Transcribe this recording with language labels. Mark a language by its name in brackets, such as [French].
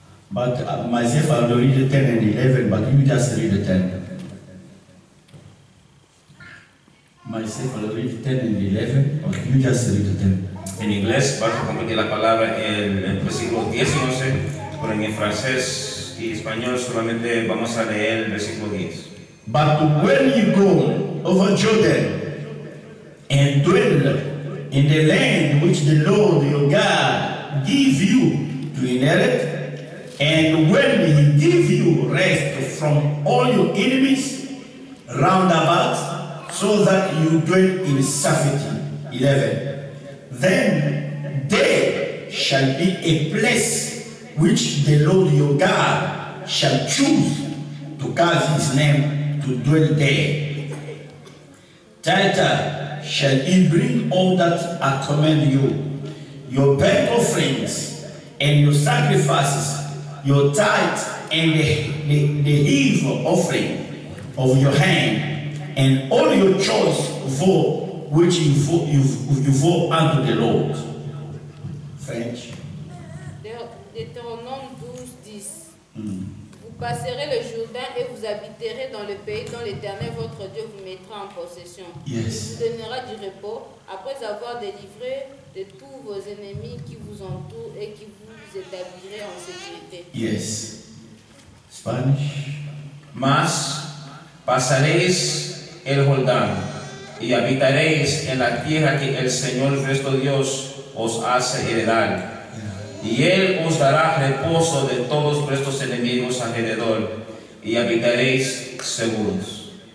[English] But myself, I'll read the 10 and 11, but you just read the 10. Myself, I'll read the 10 and 11, but you just read the 10. [Spanish] En inglés vas a compartir la palabra en el versículo 10 y 11, pero en francés y español solamente vamos a leer el versículo 10. [English] But when you go over Jordan and dwell in the land which the Lord your God give you to inherit, and when he give you rest from all your enemies round about, so that you dwell in safety. 11. Then there shall be a place which the Lord your God shall choose to cause his name to dwell there. Tithe shall he bring all that I command you, your burnt offerings and your sacrifices, your tithe and the heave offering of your hand, and all your choice for which you vow unto the Lord. French. [French] Deutéronome 12, 10. Vous passerez le Jourdain et vous habiterez dans le pays dont l'Éternel votre Dieu vous mettra en possession. [English] Yes. [French] Il vous donnera du repos après avoir délivré de tous vos ennemis qui vous entourent et qui vous établiraient en sécurité. [English] Yes. Spanish. [Spanish] Mas pasaréis el Jordán y habitaréis en la tierra que el Señor vuestro Dios os hace heredar, y Él os dará reposo de todos vuestros enemigos alrededor, y habitaréis seguros.